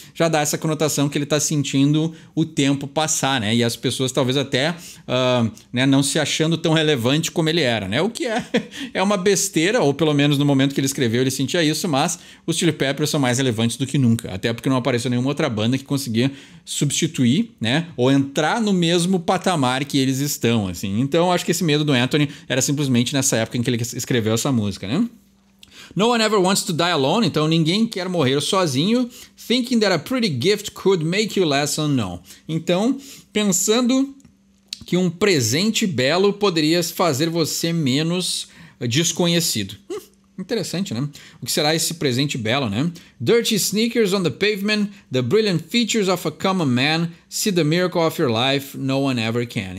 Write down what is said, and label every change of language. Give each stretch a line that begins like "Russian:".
Portuguese: Já dá essa conotação que ele está sentindo o tempo passar, né? E as pessoas talvez até né, não se achando tão relevante como ele era, né? O que é uma besteira, ou pelo menos no momento que ele escreveu ele sentia isso, mas os Chili Peppers são mais relevantes do que nunca. Até porque não apareceu nenhuma outra banda que conseguia substituir, né, ou entrar no mesmo patamar que eles estão, assim. Então acho que esse medo do Anthony era simplesmente nessa época em que ele escreveu essa música, né?
English: No one ever wants to die alone,
Portuguese: então ninguém quer morrer sozinho.
English: Thinking that a pretty gift could make you less unknown.
Portuguese: Então, pensando que um presente belo poderia fazer você menos desconhecido. Interessante, né? O que será esse presente belo, né?
English: Dirty sneakers on the pavement, the brilliant features of a common man, see the miracle of your life, no one ever can.